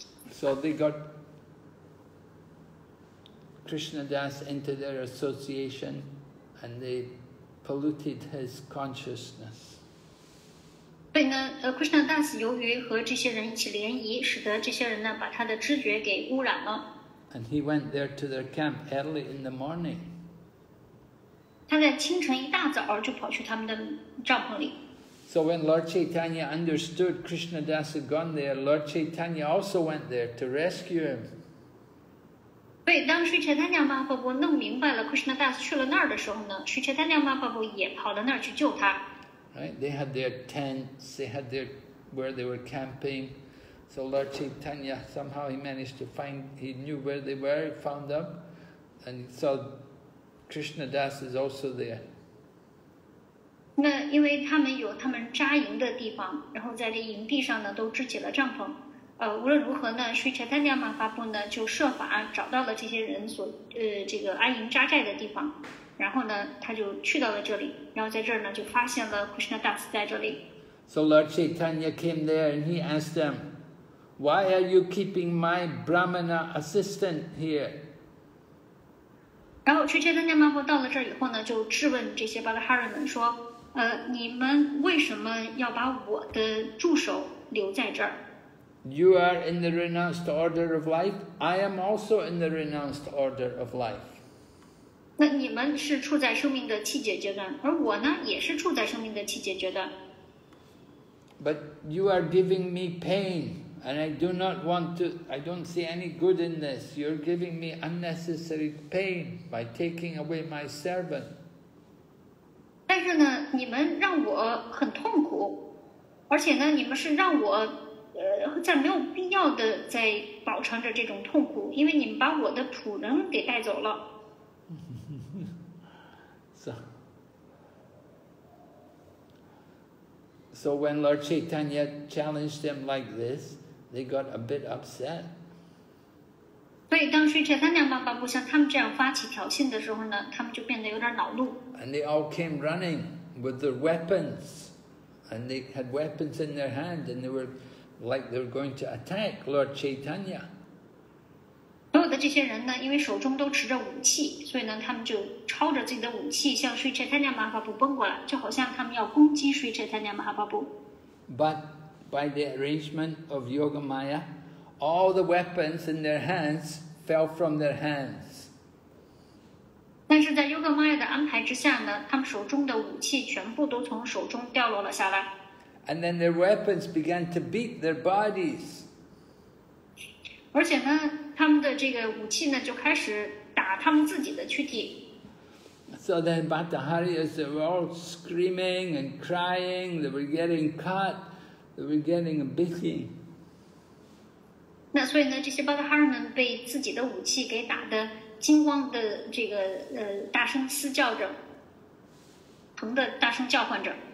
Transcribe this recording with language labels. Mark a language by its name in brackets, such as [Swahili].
[English] So they got Krishna Das into their association, and they polluted his consciousness. [Chinese] 对呢，Krishna Das 由于和这些人一起联谊，使得这些人呢把他的知觉给污染了。 [English] And he went there to their camp early in the morning. [Chinese] 他在清晨一大早就跑去他们的帐篷里。 [English] So when Lord Chaitanya understood Krishna Das had gone there, Lord Chaitanya also went there to rescue him. [Chinese] 对，当 Sri Chaitanya Mahaprabhu 弄明白了 Krishna Das 去了那儿的时候呢， Sri Chaitanya Mahaprabhu 也跑到那儿去救他。 [English] Right, they had their tents, they had their where they were camping. So Lord Chaitanya somehow he managed to find, he knew where they were, found them, and so Krishna Das is also there. [Chinese] 那因为他们有他们扎营的地方，然后在这营地上呢都支起了帐篷。无论如何呢，Sri Chaitanya Mahaprabhu呢就设法找到了这些人所这个安营扎寨的地方，然后呢他就去到了这里，然后在这儿呢就发现了 Krishna Das 在这里。 [English] So Lord Chaitanya came there and he asked them, "Why are you keeping my Brahmana assistant here?" [Chinese] 然后 Sri Chaitanya Mahaprabhu 到了这儿以后呢，就质问这些 Batthari 们说。你们为什么要把我的助手留在这儿？ [English] You are in the renounced order of life. I am also in the renounced order of life. [Chinese] 那你们是处在生命的气节阶段，而我呢，也是处在生命的气节阶段。 [English] But you are giving me pain, and I do not want to, I don't see any good in this. You're giving me unnecessary pain by taking away my servant. [Chinese] 但是呢，你们让我很痛苦，而且呢，你们是让我，在没有必要的在饱尝着这种痛苦，因为你们把我的仆人给带走了。 [English] So when Lord Chaitanya challenged them like this, they got a bit upset. [Chinese] 所以当时这三娘妈妈不像他们这样发起挑衅的时候呢，他们就变得有点恼怒。 [English] And they all came running with their weapons, and they had weapons in their hand, and they were like they were going to attack Lord Chaitanya. [Chinese] 所有的这些人呢，因为手中都持着武器，所以呢，他们就抄着自己的武器向Sri Chaitanya Mahaprabhu奔过来，就好像他们要攻击Sri Chaitanya Mahaprabhu。 [English] But by the arrangement of Yoga Maya, all the weapons in their hands fell from their hands. [Chinese] 但是在Yoga Maya的安排之下呢，他们手中的武器全部都从手中掉落了下来。 [English] And then their weapons began to beat their bodies. [Chinese] 而且呢，他们的这个武器呢，就开始打他们自己的躯体。 [English] So then Bhattaharyas, they were all screaming and crying, they were getting cut, they were getting a beating. [Chinese] 那所以呢，这些 Bhattahari 们被自己的武器给打得惊慌的这个大声嘶叫着，疼的大声叫唤着。